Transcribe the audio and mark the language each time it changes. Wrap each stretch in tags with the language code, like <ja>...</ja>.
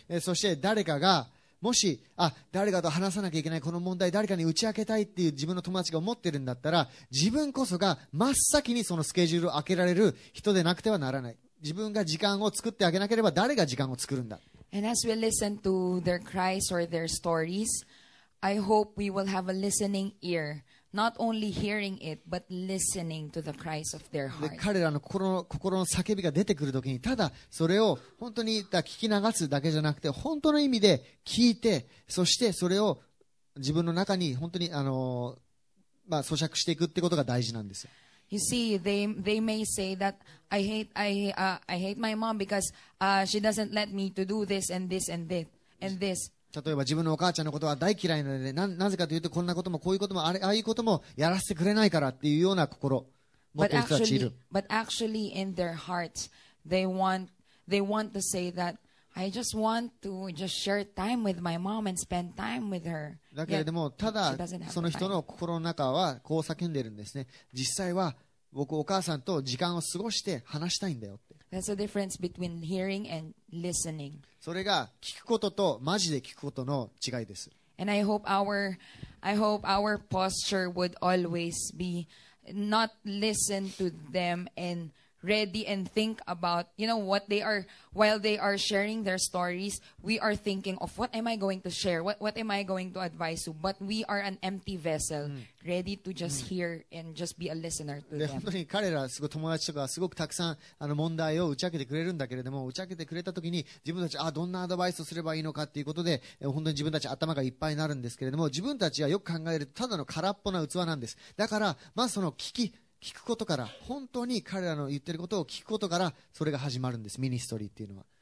<ja>そして誰かが、もし、誰かと話さなきゃいけない、この問題、誰かに打ち明けたいっていう自分の友達が思ってるんだったら、自分こそが真っ先にそのスケジュールを開けられる人でなくてはならない。自分が時間を作ってあげなければ、誰が時間を作るんだ。</ja> <en>And as we listen to their cries or their stories, I hope we will have a listening ear. Not only hearing it, but listening to the cries of their heart.</en> <ja>彼らの心の叫びが出てくるときに、ただそれを本当に聞き流すだけじゃなくて、本当の意味で聞いて、そしてそれを自分の中に本当に咀嚼していくってことが大事なんですよ。</ja> <en>You see, they may say that I hate my mom because she doesn't let me to do this and this and this and this.</en> <ja>例えば自分のお母ちゃんのことは大嫌いなので、 なぜかというと、こんなこともこういうこともああいうこともやらせてくれないからっていうような心を持っている人たちいる。</ja> <en>But actually in their hearts they want to say that I just want to just share time with my mom and spend time with her.</en> <ja>だけれども、ただその人の心の中はこう叫んでるんですね。実際は僕お母さんと時間を過ごして話したいんだよって。</ja> <en>That's the difference between hearing and listening.</en> <ja>それが聞くこととマジで聞くことの違いです。</ja> <en>And I hope our posture would always be not listen to them and ready and think about, you know, what they are, while they are sharing their stories, we are thinking of what am I going to share, what am I going to advise to, but we are an empty vessel, ready to just hear and just be a listener to them.</en> <ja>本当に彼らすごい友達とかすごくたくさん問題を打ち明けてくれるんだけれども、打ち明けてくれた時に自分たち、どんなアドバイスをすればいいのかっていうことで、本当に自分たち頭がいっぱいになるんですけれども、自分たちがよく考えるとただの空っぽな器なんです。だからまずその聞くことから、本当に彼らの言ってることを聞くことからそれが始まるんです、ミニストリーっていうのは。</ja>